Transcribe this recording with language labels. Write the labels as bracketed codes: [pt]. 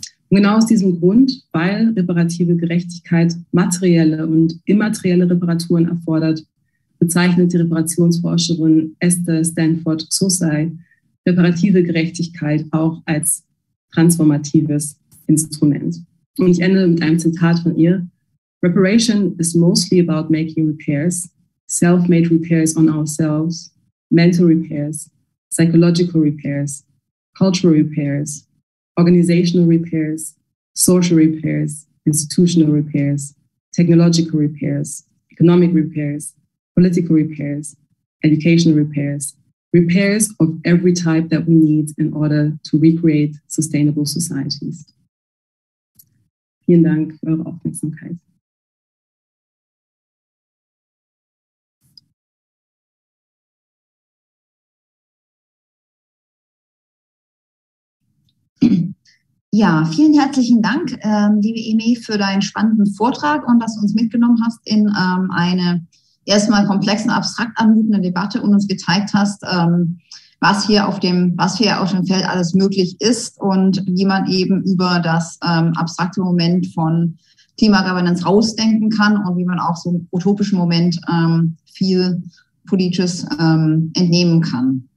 [de] Und genau aus diesem Grund, weil reparative Gerechtigkeit materielle und immaterielle Reparaturen erfordert, bezeichnet die Reparationsforscherin Esther Stanford Sosai reparative Gerechtigkeit auch als transformatives Instrument. Und ich ende mit einem Zitat von ihr. [en] "Reparation is mostly about making repairs, self-made repairs on ourselves, mental repairs, psychological repairs, cultural repairs, organizational repairs, social repairs, institutional repairs, technological repairs, economic repairs, political repairs, educational repairs, repairs of every type that we need in order to recreate sustainable societies." [de] Vielen Dank für eure Aufmerksamkeit. Ja, vielen herzlichen Dank, liebe Emi, für deinen spannenden Vortrag und dass du uns mitgenommen hast in eine erstmal komplex und abstrakt anmutende Debatte und uns gezeigt hast, was hier auf dem Feld alles möglich ist und wie man eben über das abstrakte Moment von Klimagovernance rausdenken kann und wie man auch so einen utopischen Moment viel Politisches entnehmen kann.